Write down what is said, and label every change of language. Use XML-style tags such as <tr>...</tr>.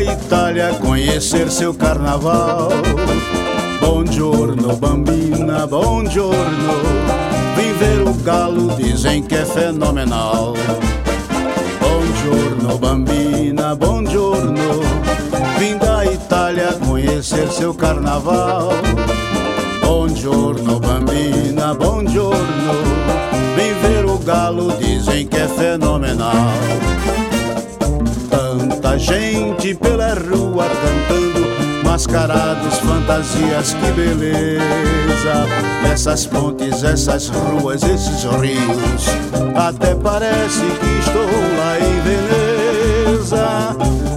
<pt>área conhecer seu carnaval.</pt> <it>Buongiorno, bambina, buongiorno.</it> <pt>Vim ver o galo, dizem que é fenomenal.</pt> <it>Buongiorno, bambina, buongiorno.</it> <pt>Vim da Itália conhecer seu carnaval.</pt> <it>Buongiorno, bambina, buongiorno.</it> <pt>Vim ver o galo, dizem que é fenomenal. Tanta gente pela rua cantando, mascarados, fantasias, que beleza. Nessas pontes, essas ruas, esses rios, até parece que estou lá em Veneza.</pt>